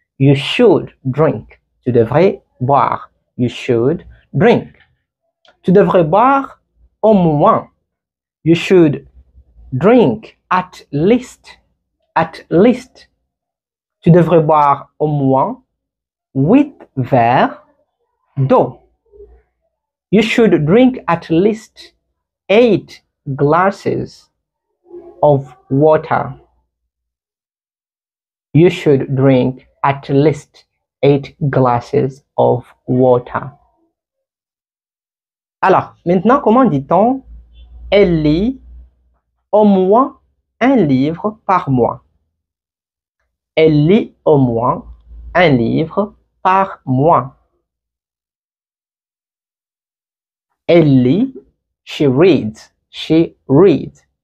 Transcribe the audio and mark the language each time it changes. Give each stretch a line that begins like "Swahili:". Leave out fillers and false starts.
English: You should drink.
French: Tu devrais boire.
English: You should drink.
French: Tu devrais boire au moins.
English: You should drink. At least, at least,
French: tu devrais boire au moins 8 verres d'eau.
English: You should drink at least 8 glasses of water. You should drink at least 8 glasses of water.
French: Alors, maintenant, comment dit-on? Elle lit au moins un livre par mois. Elle lit au moins un livre par mois. Elle lit,
English: she reads, she reads.